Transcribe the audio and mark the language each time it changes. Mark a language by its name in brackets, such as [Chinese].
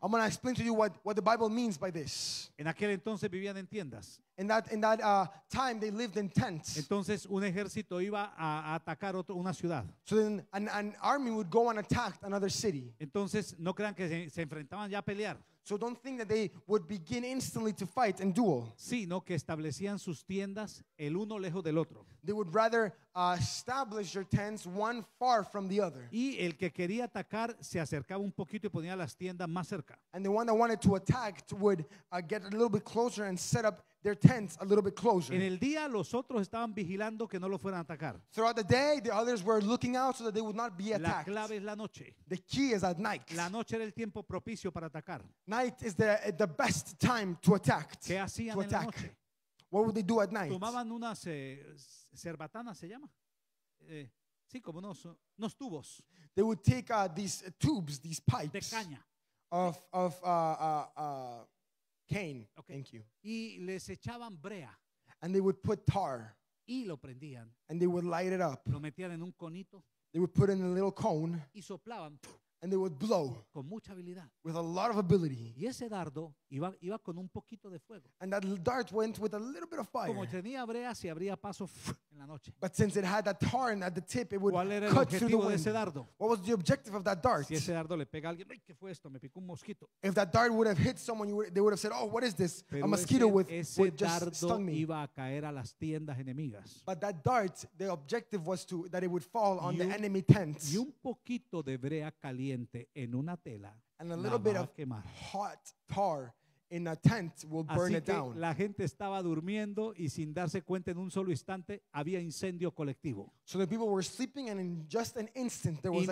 [English] I'm going to explain to you what the Bible means by this. [Spanish] En aquel entonces vivían en tiendas. [English] In that time they lived in tents. [Spanish] Entonces un ejército iba a atacar una ciudad. [English] So then an army would go and attack another city. [Spanish] Entonces no crean que se enfrentaban ya a pelear. [English] So don't think that they would begin instantly to fight and duel. [Spanish] Sino que establecían sus tiendas el uno lejos del otro. [English] They would rather establish their tents one far from the other. [Spanish] Y el que quería atacar se acercaba un poquito y ponía las tiendas más cerca. [English] And the one that wanted to attack would get a little bit closer and set up their tents a little bit closer. [Spanish] En el día los otros estaban vigilando que no lo fueran a atacar. [English] Throughout the day the others were looking out so that they would not be attacked. [Spanish] La clave es la noche. [English] The key is at night. [Spanish] La noche era el tiempo propicio para atacar. [English] Night is the best time to attack. [Spanish] ¿Qué hacían en la noche? [English] What would they do at night? [Spanish] Tomaban unas cerbatanas, se llama. Sí, como unos tubos. [English] They would take these tubes, these pipes. [Spanish] De caña. [English] Of cane. Okay. Thank you. [Spanish] Y les echaban brea. [English] And they would put tar. [Spanish] Y lo prendían. [English] And they would light it up. [Spanish] Lo metían en un conito. [English] They would put it in a little cone. [Spanish] Y soplaban. [English] And they would blow [Spanish] con mucha habilidad. [English] With a lot of ability. [Spanish] Y ese dardo iba con un poquito de fuego. [English] And that dart went with a little bit of fire. [Spanish] Como tenía brea, se abría paso en la noche. [English] But since it had that tar and at the tip, it would cut through the wind. [Spanish] De ese dardo? [English] What was the objective of that dart? [Spanish] Si ese dardo le pega a alguien, ¿qué fue esto? Me picó un mosquito. [English] If that dart would have hit someone, they would have said, oh, what is this? [Spanish] Pero [English] a mosquito [Spanish] ese dardo [English] just stung me. [Spanish] Iba a caer a las tiendas enemigas. [English] But that dart, the objective was that it would fall on the enemy tents. [Spanish] Y un poquito de brea caliente. En una tela, [English] and a little bit of [Spanish] quemar. [English] Hot tar in a tent will burn it down. [Spanish] La gente estaba durmiendo y sin darse cuenta en un solo instante había incendio colectivo. [English] So the people were sleeping and in just an instant there was a